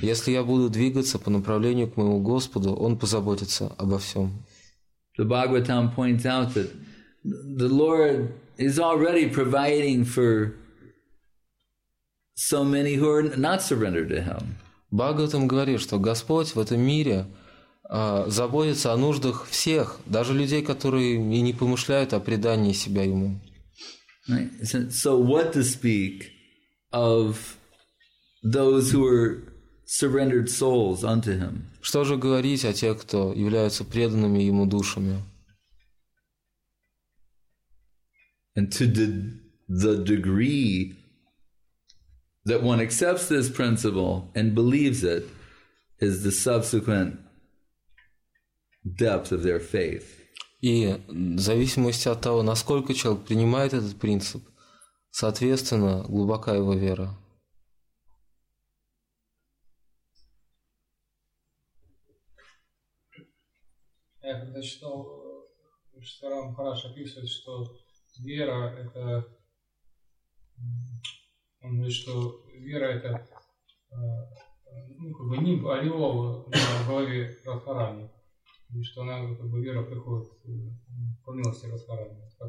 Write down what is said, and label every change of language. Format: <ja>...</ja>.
<ru>Если я буду двигаться по направлению к моему Господу, он позаботится обо всем.</ru> <en>The Bhagavatam points out that the Lord is already providing for so many who are not surrendered to Him.</en> <ru>Бхагаватам говорит, что Господь в этом мире заботится о нуждах всех, даже людей, которые и не помышляют о предании себя Ему.</ru> <en>Right. So what to speak of those who are surrendered souls unto Him?</en> <ru>Что же говорить о тех, кто являются преданными Ему душами?</ru> <en>And to the degree that one accepts this principle and believes it is the subsequent depth of their faith.</en> <ru>И в зависимости от того, насколько человек принимает этот принцип, соответственно, глубока его вера. Я когда читал, что Рам Параш описывает, что вера это, он говорит, что вера это, ну, как бы нимб ореол на голове Радхарани, и что она как бы вера приходит по милости Радхарани.</ru>